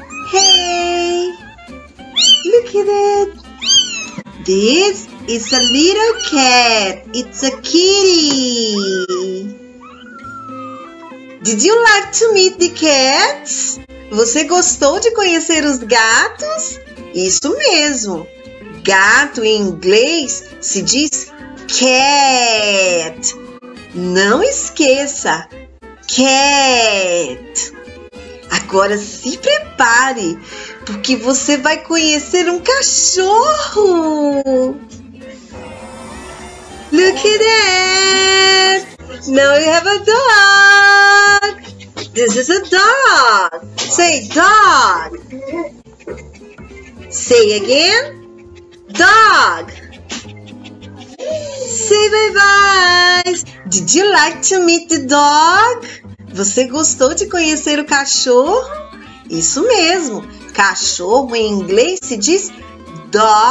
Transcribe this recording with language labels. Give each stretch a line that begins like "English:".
English: Hey. Look at that. This is a little cat. It's a kitty. Did you like to meet the cats?
Portuguese: Você gostou de conhecer os gatos? Isso mesmo. Gato em inglês se diz cat. Não esqueça. Cat. Agora se prepare, porque você vai conhecer um cachorro.
English: Look at that. Now you have a dog. This is a dog. Say dog. Say again. Dog. Say bye bye. Did you like to meet the dog?
Portuguese: Você gostou de conhecer o cachorro? Isso mesmo. Cachorro em inglês se diz dog.